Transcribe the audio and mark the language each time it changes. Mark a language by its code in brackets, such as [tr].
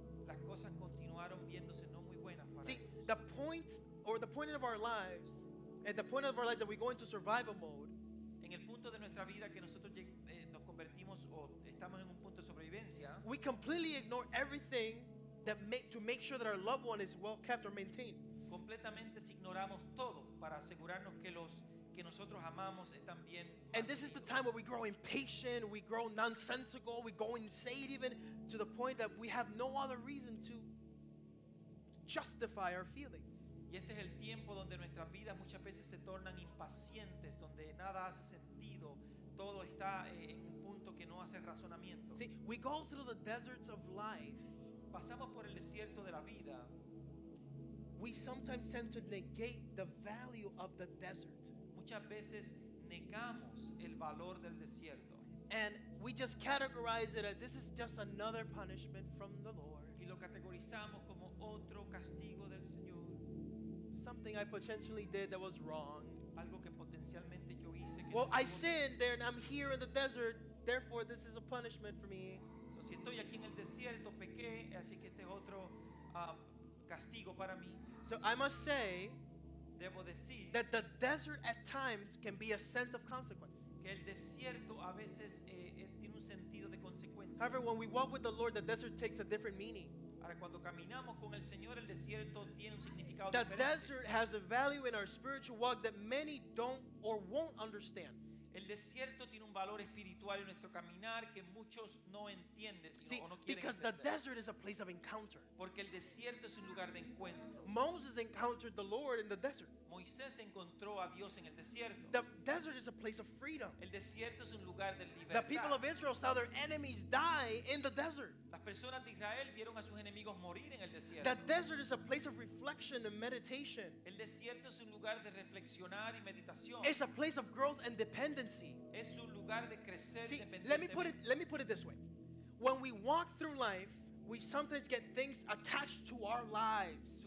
[es] Las cosas continuaron viéndose no muy buenas para [en] See, [es] ellos. [en] See, the point of our lives that we go into survival mode. [es] En el punto de nuestra vida que nosotros nos convertimos o estamos en un punto de sobrevivencia. [en] We completely ignore everything to make sure that our loved one is well kept or maintained. [es] Completamente ignoramos todo para asegurarnos que los que nosotros amamos están bien. [en] And this is the time where we grow impatient, we grow nonsensical, we go insane even to the point that we have no other reason to justify our feelings. [es] Y este es el tiempo donde nuestras vidas muchas veces se tornan impacientes, donde nada hace sentido, todo está en un punto que no hace razonamiento. [en] See, we go through the deserts of life. [es] Pasamos por el desierto de la vida. [en] We sometimes tend to negate the value of the desert. [es] Muchas veces negamos el valor del desierto. [en] And we just categorize it as this is just another punishment from the Lord. [es] Y lo categorizamos como otro castigo del Señor. [en] Something I potentially did that was wrong. [es] Algo que potencialmente yo hice que [en] Well, I sinned there and I'm here in the desert, therefore this is a punishment for me. [es] So si estoy aquí en el desierto, pequé, así que este es otro castigo para mí. [en] So I must say [es] Debo decir [en] that the desert at times can be a sense of consequence. [es] Que el desierto a veces tiene un sentido de consecuencia. [en] However, when we walk with the Lord, the desert takes a different meaning. [es] Ahora, cuando caminamos con el Señor, el desierto tiene un significado [en] the [es] diferente. [en] The desert has a value in our spiritual walk that many don't or won't understand. [es] El desierto tiene un valor espiritual en nuestro caminar que muchos no entienden o no quieren entender. [en] Because the desert is a place of encounter. [es] Porque el desierto es un lugar de encuentro. [en] Moses encountered the Lord in the desert. [es] Moisés encontró a Dios en el desierto. [en] The desert is a place of freedom. [es] El desierto es un lugar de libertad. [en] The people of Israel saw their enemies die in the desert. [es] Las personas de Israel vieron a sus enemigos morir en el desierto. [en] The desert is a place of reflection and meditation. [es] El desierto es un lugar de reflexionar y meditación. [en] It's a place of growth and dependency. [es] Es un lugar de crecer [en] See, [es] dependiente. [en] Let me put it this way. When we walk through life, we sometimes get things attached to our lives.